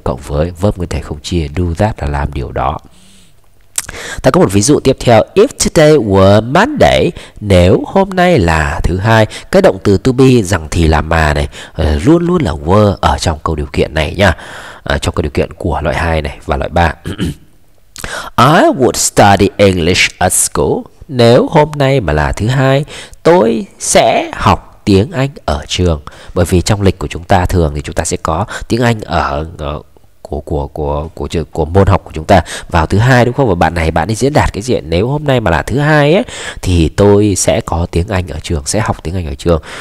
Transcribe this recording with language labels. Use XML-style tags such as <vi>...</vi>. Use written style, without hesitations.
<vi>Cộng với verb nguyên thể không chia. Do that là làm điều đó. Ta có một ví dụ tiếp theo.</vi> <en>If today were Monday,</en> <vi>nếu hôm nay là thứ hai, cái động từ to be rằng thì là mà này luôn luôn là were ở trong câu điều kiện này nha, trong câu điều kiện của loại 2 này và loại 3.</vi> <en>I would study English at school.</en> <vi>Nếu hôm nay mà là thứ hai, tôi sẽ học tiếng Anh ở trường. Bởi vì trong lịch của chúng ta thường thì chúng ta sẽ có tiếng Anh ở của môn học của chúng ta vào thứ hai đúng không? Và bạn này bạn ấy diễn đạt cái diện nếu hôm nay mà là thứ hai ấy thì tôi sẽ có tiếng Anh ở trường, sẽ học tiếng Anh ở trường.</vi>